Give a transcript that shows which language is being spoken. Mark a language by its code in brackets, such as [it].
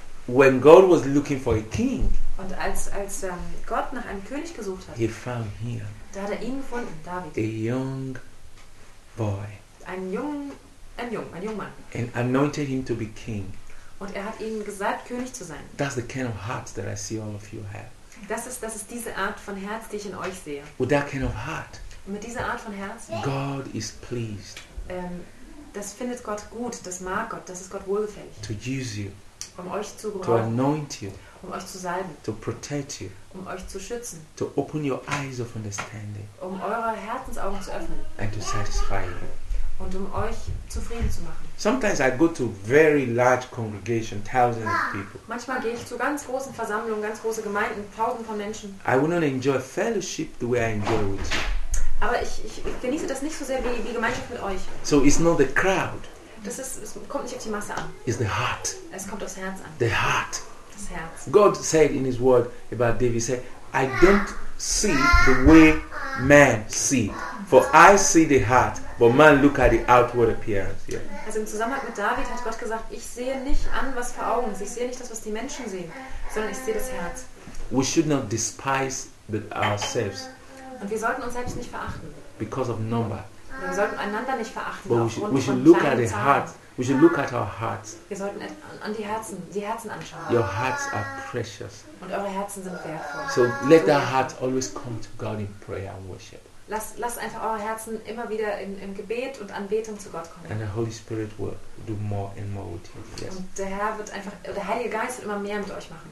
[en] when God was looking for a king, [de] und als Gott nach einem König gesucht hat, [en] he found here, [de] da hat er ihn gefunden, David, [en] a young boy, [de] ein junger Mann, [en] and anointed him to be king. [de] Und er hat ihnen gesagt, König zu sein. [en] That's the kind of heart that I see all of you have. [de] Das ist diese Art von Herz, die ich in euch sehe. [en] With that kind of heart. [de] Und mit dieser Art von Herz. [en] God is pleased. [de] Das findet Gott gut. Das mag Gott. Das ist Gott wohlgefällig. [en] To use you. [de] Um euch zu gebrauchen. [en] To anoint you. [de] Um euch zu salben. [en] To protect you. [de] Um euch zu schützen. [en] To open your eyes of understanding. [de] Um eure Herzensaugen zu öffnen. [en] And to satisfy you. [de] Und um euch zufrieden zu machen. [en] Sometimes I go to very large congregation, thousands of people. [de] Manchmal gehe ich zu ganz großen Versammlungen, ganz große Gemeinden, tausend von Menschen. [en] I will not enjoy fellowship the way I enjoy with you. [de] Aber ich genieße das nicht so sehr wie Gemeinschaft mit euch. [en] So it's not the crowd. [de] Es kommt nicht auf die Masse an. [en] It's the heart. [de] Es kommt aufs Herz an. [en] The heart. [de] Das Herz. [en] God said in his word about David, said, I don't see the way man see. For I see the heart, but man look at the outward appearance. Yeah. [de] Also im Zusammenhang mit David hat Gott gesagt, ich sehe nicht an, was vor Augen ist. Ich sehe nicht das, was die Menschen sehen, sondern ich sehe das Herz. [en] We should not despise ourselves. [de] Und wir sollten uns selbst nicht verachten. [en] Because of number. [de] Und wir sollten einander nicht verachten. [en] But we should look at the heart. We should look at our hearts. [de] Wir sollten an die Herzen anschauen. [en] Your hearts are precious. [de] Und eure Herzen sind wertvoll. [en] So let that heart always come to God in prayer and worship. [de] Lass einfach eure Herzen immer wieder im Gebet und Anbetung zu Gott kommen. [en] And the Holy Spirit will do more and more with you. Yes. [de] Und der Herr wird einfach, der Heilige Geist wird immer mehr mit euch machen.